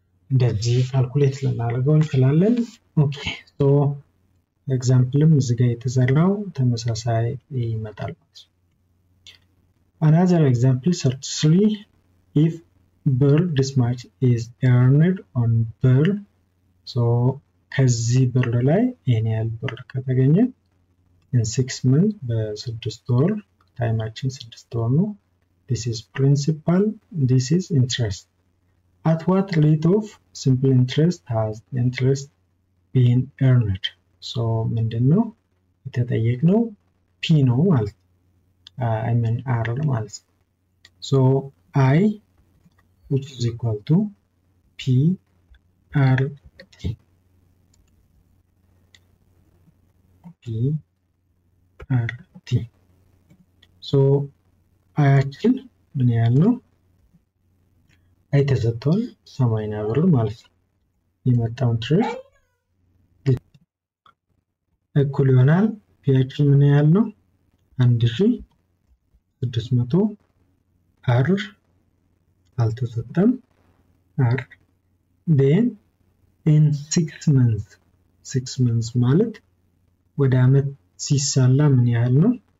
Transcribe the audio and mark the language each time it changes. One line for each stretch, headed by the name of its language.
Amharic: እንደዚህ ካልኩሌት ለማድረግ እንችላለን። ኦኬ ሶ ኤግዛምፕልም እዚጋ የተዘራው ተመሳሳይ ይመጣል ማለት።
English: አናዘር ኤግዛምፕል 33 ኢፍ በር ዲስ ማች ኢዝ ኤርንድ ኦን በር
Amharic: ሶ ከዚህ ብር ላይ ይሄን ያህል ብር ከተገኘ
English: in 6 months
Amharic: በስድስት ወር ታይማችን 6 ወር ነው።
English: This is principal, this is interest. At what rate of simple interest has the interest been earned?
Amharic: So ምንድነው የተጠየቅነው?
English: P
Amharic: ነው ማለት
English: I mean R ማለት። So I which is equal to P R T rt.
Amharic: So አያችን ምን ያለው አይ ተዘጥቷል 80 ብር ማለት ይመጣው ትሬድ እኩል ይሆናል ፒያችን ምን ያለው 1600 አር አልተሰጠም አር
English: ዴን ኢን 6 ማንስ
Amharic: 6 ማንስ ማለት ወደ አመት ሲሳላ ምን ያህል ነው?